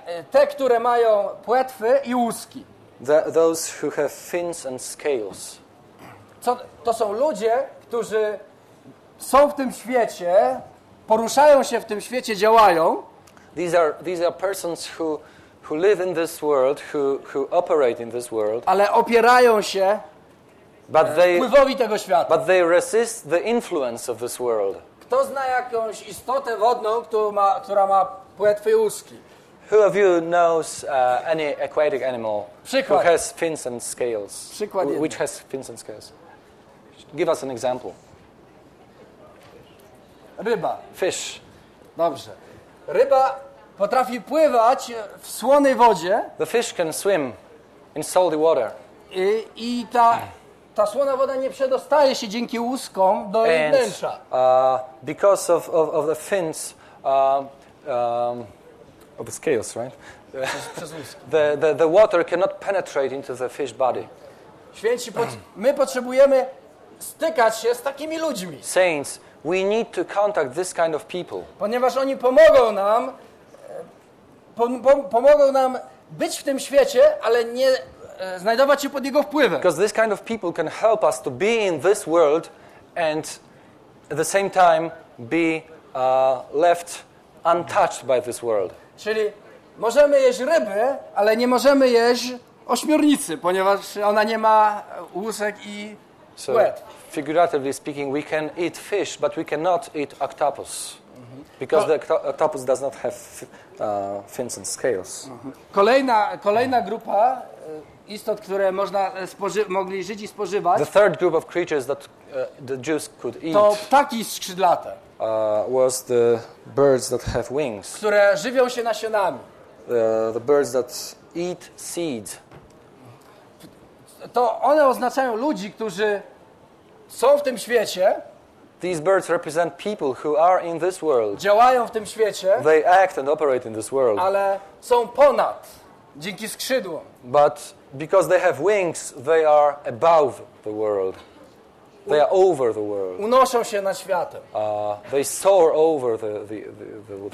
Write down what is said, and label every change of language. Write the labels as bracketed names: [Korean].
[Polish] Te, które mają płetwy i łuski. [English] Those who have fins and scales. [Polish] To są ludzie, którzy są w tym świecie, poruszają się w tym świecie, działają. [English] These are persons who live in this world, who operate in this world. [Polish] Ale opierają się wpływowi tego świata. [English] But they resist the influence of this world. [Polish] Kto zna jakąś istotę wodną, która ma płetwy i łuski? [English] Who of you knows any aquatic animal? [Polish] Przykład. [English] Who has fins and scales? [Polish] Przykład [English] which has fins and scales? Give us an example. [Polish] Ryba. [English] Fish. [Polish] Dobrze. Ryba potrafi pływać w słonej wodzie. [English] The fish can swim in salty water. [Polish] I ta słona woda nie przedostaje się dzięki łuskom do jej wnętrza. [English] Because of the fins. Of the scales, right? The water cannot penetrate into the fish body. [Polish] Święci, my potrzebujemy stykać się z takimi ludźmi. [English] Saints, we need to contact this kind of people. [Polish] Ponieważ oni pomogą nam, pomogą nam być w tym świecie, ale nie znajdować się pod jego wpływem. [English] Because this kind of people can help us to be in this world and at the same time be left untouched by this world. [Polish] Czyli możemy jeść ryby, ale nie możemy jeść ośmiornicy, ponieważ ona nie ma łusek i łeb. [English] So, figuratively speaking, we can eat fish, but we cannot eat octopus. Because the octopus does not have fins and scales. [Polish] Kolejna grupa istot, które można mogli żyć i spożywać. [English] The third group of creatures that the Jews could eat. [Polish] To ptaki skrzydlate. [English] Was the birds that have wings. [Polish] Które żywią się nasionami. [English] The birds that eat seeds. [Polish] To one oznaczają ludzi, którzy są w tym świecie. [English] These birds represent people who are in this world. [Polish] Działają w tym świecie. [English] They act and operate in this world. [Polish] Ale są ponad, dzięki skrzydłom. [English] But because they have wings, they are above the world. They are over the world. [Polish] Unoszą się nad światem. [English] They soar over the world.